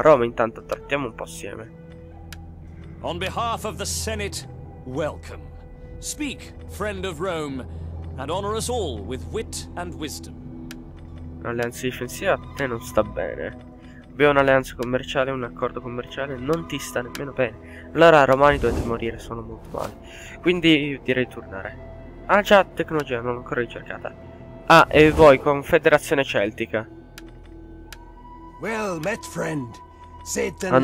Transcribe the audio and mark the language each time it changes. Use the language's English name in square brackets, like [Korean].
[Italian] Roma, intanto, trattiamo un po' assieme. [English] On behalf of the Senate, welcome. Speak, friend of Rome, and honor us all with wit and wisdom. [Italian] Un'alleanza difensiva a te non sta bene. Abbiamo un'alleanza commerciale, un accordo commerciale, non ti sta nemmeno bene. Allora, Romani dovete morire, sono molto male. Quindi direi di tornare. Ah già, tecnologia, non l'ho ancora ricercata. Ah, e voi, Confederazione Celtica. [English] Well met, friend. Said and meant